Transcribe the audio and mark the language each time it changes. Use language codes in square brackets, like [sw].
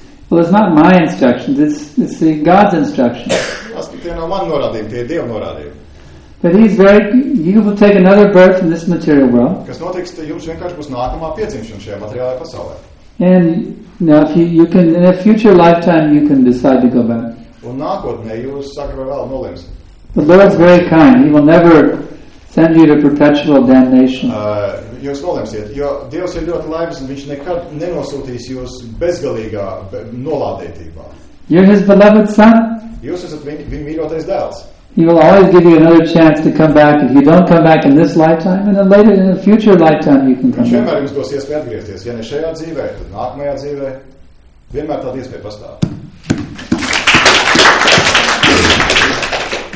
[en] Well, it's not my instructions, it's God's instructions. [lv] Tie nav mani norādījumi, tie ir Dieva norādījumi. [en] But he's very, you will take another birth from this material world. [lv] Kas notiks, tad jums vienkārši būs nākamā piedzimšana šajā materiālajā pasaulē. [en] And now if you can, in a future lifetime, you can decide to go back. [lv] Un nākotnē jūs sakarā vēl nolēmsiet. [en] The Lord's very kind. He will never send you to perpetual damnation. [lv] Jūs nolemsiet, jo Dievs ir ļoti laibs un viņš nekad nenosūtīs jūs bezgalīgā nolādētībā. [en] You're his beloved son. [lv] Jūs esat viņa mīļotais dēls. [en] He will always give you another chance to come back. If you don't come back in this lifetime, and then later in a future lifetime, you can come back. [lv] Jums būs iespēja atgriezties. Ja ne šajā dzīvē, tad nākamajā dzīvē. Vienmēr tāda iespēja pastāv.